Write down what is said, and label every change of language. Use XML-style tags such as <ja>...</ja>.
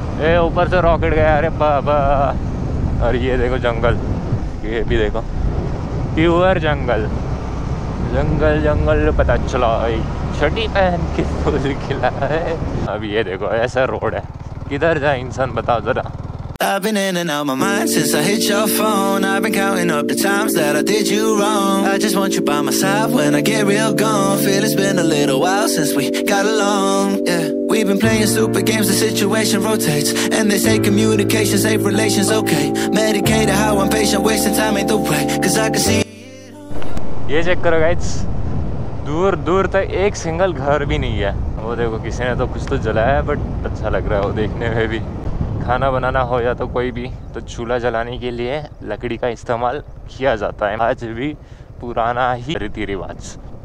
<hi>ए ऊपर से रॉकेट गया, अरे बाबा। और ये देखो जंगल, ये भी देखो प्योर जंगल जंगल जंगल, पता चला भाई छठी पहन के फूल खिला है। अब ये देखो ऐसा रोड है, किधर जाए इंसान बताओ जरा।</hi> <en>I've been in and out my mind since I hit your phone. I've been counting up the times that I did you wrong. I just want you by my side when I get real gone. Feel it's been a little while since we got along. Yeah, we've been playing stupid games, the situation rotates. And they say communication save relations, okay. Medicated how I'm patient, wasting time ain't the way. Cause I can see.</en> <hi>ये check करो guys, दूर दूर तक एक single घर भी नहीं है। वो देखो किसी ने तो कुछ तो जलाया है, बट अच्छा लग रहा है वो देखने में भी। खाना बनाना हो या तो कोई भी, तो चूल्हा जलाने के लिए लकड़ी का इस्तेमाल किया जाता है, आज भी पुराना ही रीति रिवाज।</hi>